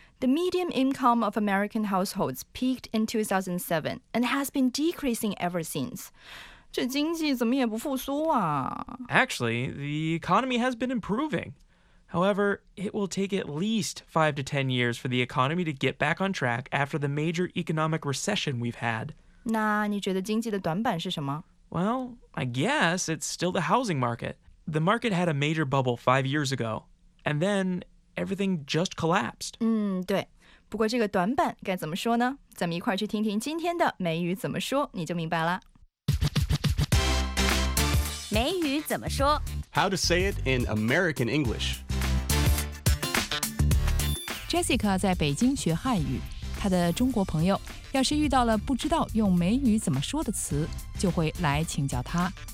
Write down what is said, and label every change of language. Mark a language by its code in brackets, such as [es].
[en] The median income of American households peaked in 2007 and has been decreasing ever since. [zh] 这经济怎么也不复苏啊？ [en] Actually, the economy has been improving. However, it will take at least 5 to 10 years for the economy to get back on track after the major economic recession we've had. [zh] 那你觉得经济的短板是什么？ [en] Well, I guess it's still the housing market. The market had a major bubble 5 years ago, and then... Everything just collapsed. [zh] 对。不过这个短板该怎么说呢？咱们一块儿去听听今天的美语怎么说，你就明白了。美语怎么说？ [en] How to say it in American English. [zh] Jessica 在北京学汉语，她的中国朋友要是遇到了不知道用美语怎么说的词，就会来请教她。